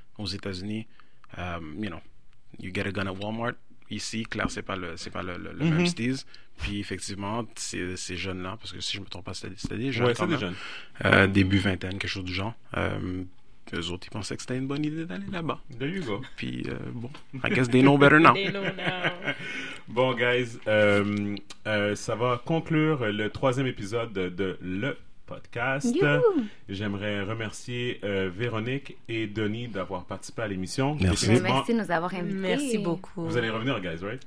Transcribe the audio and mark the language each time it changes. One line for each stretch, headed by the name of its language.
French: Aux États-Unis,
English: you know, you get a gun at Walmart.
French: Ici, clair, c'est pas le mm-hmm. même stiz. Puis effectivement, ces jeunes là, parce que si je me trompe pas, c'était des jeunes, ouais, c'est des jeunes. Début vingtaine, quelque chose du genre. Eux autres, ils pensaient que c'était une bonne idée d'aller là-bas.
English: There you go.
French: Puis, bon,
English: I guess they know better now. They know now.
French: Bon, guys, ça va conclure le troisième épisode de le podcast.
English: You.
French: J'aimerais remercier Véronique et Denis d'avoir participé à l'émission. Merci. Merci de nous avoir invités. Merci beaucoup. Vous allez revenir, guys, right?